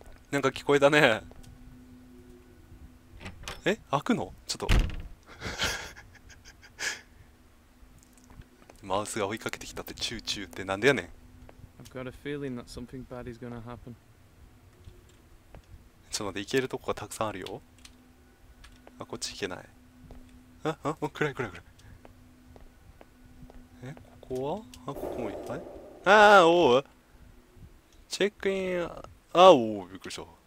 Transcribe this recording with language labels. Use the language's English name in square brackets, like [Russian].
[Japanese] なんか聞こえたね。え、開くの？ちょっとマウスが追いかけてきたって。チューチューってなんでやねん。 [English] I've got a feeling that something bad is gonna happen. [Japanese] ちょっと待って、行けるとこがたくさんあるよ。あ、こっち行けない。あ、あ、暗い暗い暗い。え、ここは？あ、ここもいっぱい。あー、おう、チェックイン。あー、おう、びっくりした。